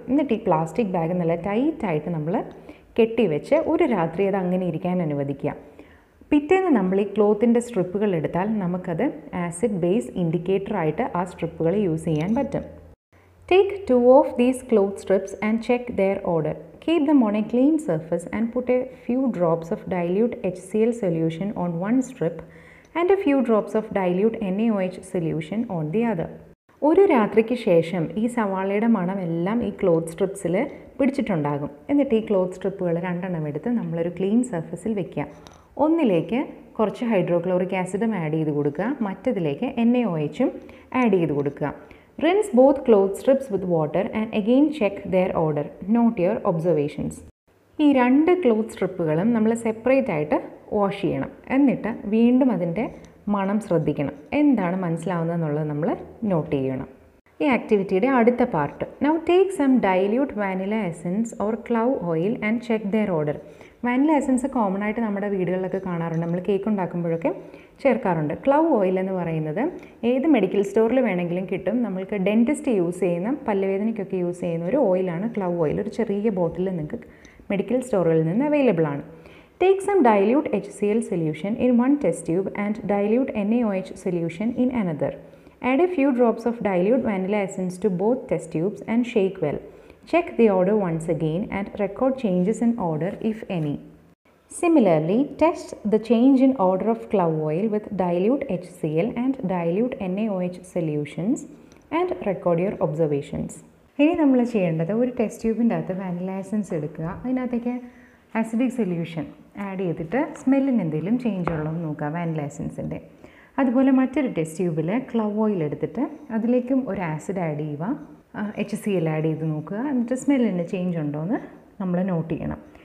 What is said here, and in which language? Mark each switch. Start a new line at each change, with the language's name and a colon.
Malayalam: എന്നിട്ട് ഈ plastic bag നല്ല ടൈറ്റായിട്ട് നമ്മൾ കെട്ടിവെച്ച് ഒരു രാത്രി അത് അങ്ങനെ ഇരിക്കാൻ അനുവദിക്കുക. പിറ്റേന്ന് നമ്മൾ ഈ ക്ലോത്തിൻ്റെ സ്ട്രിപ്പുകൾ എടുത്താൽ നമുക്കത് ആസിഡ് ബേസ് ഇൻഡിക്കേറ്ററായിട്ട് ആ സ്ട്രിപ്പുകൾ യൂസ് ചെയ്യാൻ പറ്റും.
English: Take two of these cloth strips and check their order. Keep them on a clean surface and put a few drops of dilute HCl solution on one strip and a few drops of dilute NaOH solution on the other.
Malayalam: ഒരു രാത്രിക്ക് ശേഷം ഈ സവാളയുടെ മണം എല്ലാം ഈ cloth സ്ട്രിപ്സിൽ പിടിച്ചിട്ടുണ്ടാകും. എന്നിട്ട് ഈ ക്ലോത്ത് സ്ട്രിപ്പുകൾ രണ്ടെണ്ണം എടുത്ത് നമ്മളൊരു ക്ലീൻ സർഫസിൽ വെക്കുക. ഒന്നിലേക്ക് കുറച്ച് ഹൈഡ്രോക്ലോറിക് ആസിഡും ആഡ് ചെയ്ത് കൊടുക്കുക, മറ്റതിലേക്ക് NaOH ആഡ് ചെയ്ത് കൊടുക്കുക.
English: Rinse both cloth strips with water and again check their order, note your observations.
Malayalam: ഈ രണ്ട് ക്ലോത്ത് സ്ട്രിപ്പുകളും നമ്മൾ സെപ്പറേറ്റ് ആയിട്ട് വാഷ് ചെയ്യണം. എന്നിട്ട് വീണ്ടും അതിൻ്റെ മണം ശ്രദ്ധിക്കണം. എന്താണ് മനസ്സിലാവുന്നതെന്നുള്ളത് നമ്മൾ നോട്ട് ചെയ്യണം. ഈ ആക്ടിവിറ്റിയുടെ അടുത്ത part,
English: Now take some dilute vanilla essence or clove oil and check their order.
Malayalam: Vanilla essence common ആയിട്ട് നമ്മുടെ വീടുകളിലൊക്കെ കാണാറുണ്ട്, നമ്മൾ കേക്ക് ഉണ്ടാക്കുമ്പോഴൊക്കെ ചേർക്കാറുണ്ട്. ക്ലവ് ഓയിൽ എന്ന് പറയുന്നത് ഏത് മെഡിക്കൽ സ്റ്റോറിൽ വേണമെങ്കിലും കിട്ടും. നമ്മൾക്ക് ഡെൻറ്റിസ്റ്റ് യൂസ് ചെയ്യുന്ന, പല്ലുവേദനയ്ക്കൊക്കെ യൂസ് ചെയ്യുന്ന ഒരു ഓയിലാണ് ക്ലവ് ഓയിൽ. ഒരു ചെറിയ ബോട്ടിൽ നിങ്ങൾക്ക് മെഡിക്കൽ സ്റ്റോറുകളിൽ നിന്ന് അവൈലബിൾ ആണ്.
English: Take some dilute HCl solution in one test tube and dilute NaOH solution in another. Add a few drops of dilute vanilla essence to both test tubes and shake well. Check the order once again and record changes in order if any. Similarly, test the change in order of clove oil with dilute HCl and dilute NaOH solutions and record your observations.
Malayalam: ഇനി നമ്മൾ ചെയ്യേണ്ടത് ഒരു test ട്യൂബിൻ്റെ അകത്ത് vanilla essence എടുക്കുക, അതിനകത്തേക്ക് acidic solution add ചെയ്തിട്ട് സ്മെല്ലിന് എന്തെങ്കിലും change ഉള്ളതെന്ന് നോക്കുക വാനില എസൻസിൻ്റെ. അതുപോലെ മറ്റൊരു ടെസ്റ്റ് ട്യൂബിൽ ക്ലവ് ഓയിൽ എടുത്തിട്ട് അതിലേക്കും ഒരു ആസിഡ് ആഡ് ചെയ്യുക, എച്ച് സി എൽ ആഡ് ചെയ്ത് നോക്കുക, എന്നിട്ട് സ്മെല്ലിന് ചേഞ്ച് ഉണ്ടോ എന്ന് നമ്മൾ നോട്ട് ചെയ്യണം.